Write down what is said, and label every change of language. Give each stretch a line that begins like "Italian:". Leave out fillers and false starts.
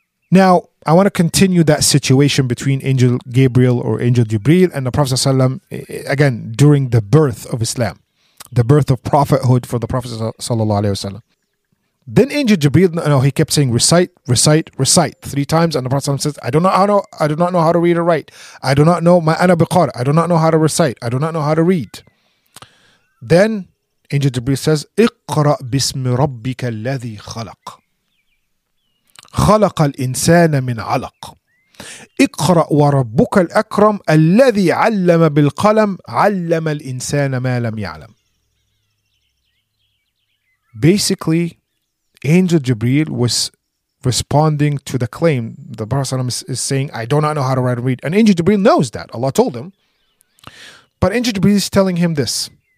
English: Now, I want to continue that situation between Angel Gabriel or Angel Jibreel and the Prophet sallallahu alaihi wasallam, again, during the birth of Islam, the birth of prophethood for the Prophet sallallahu alaihi wasallam. Then Angel Jibreel, no, he kept saying, recite, recite, recite three times. And the Prophet says, I do not know how to read or write. I do not know my Ana Biqar. I do not know how to recite. I do not know how to read. Then Angel Jibreel says,
Arabic: اقرأ باسم ربك الذي خلق. خلق الإنسان من علق. اقرأ وربك الأكرم الذي علم بالقلم علم الإنسان ما لم يعلم.
English: Basically, Angel Jibreel was responding to the claim. The Prophet is saying, I do not know how to write and read. And Angel Jibreel knows that. Allah told him. But Angel Jibreel is telling him this.